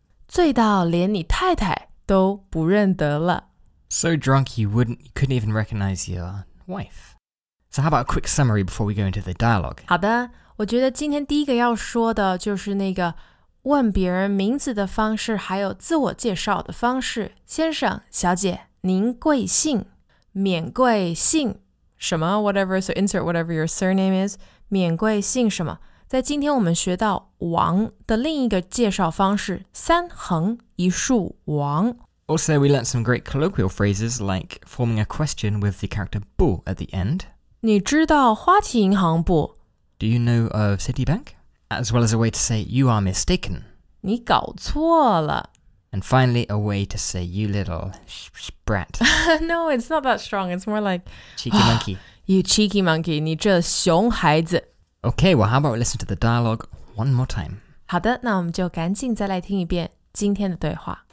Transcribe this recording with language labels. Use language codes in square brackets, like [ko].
[zh] 醉到连你太太都不认得了。 [en] So drunk you couldn't even recognize your wife. So how about a quick summary before we go into the dialogue? [zh] 好的，我觉得今天第一个要说的就是那个问别人名字的方式还有自我介绍的方式。先生，小姐，您贵姓？免贵姓？ [en] 什么 ?whatever, so insert whatever your surname is. [zh] 免贵姓什么？在今天我们学到王的另一个介绍方式，三横一竖王。 [en] Also, we learned some great colloquial phrases like forming a question with the character 不 at the end. [zh] 你知道花旗银行不 [en] ？Do you know of Citibank? As well as a way to say you are mistaken. [zh] 你搞错了。 [en] And finally, a way to say you little brat. No, it's not that strong. It's more like cheeky monkey. You cheeky monkey, [zh] 你这熊孩子。 [en] Okay, well, how about we listen to the dialogue one more time? [zh] 好的，那我们就赶紧再来听一遍今天的对话。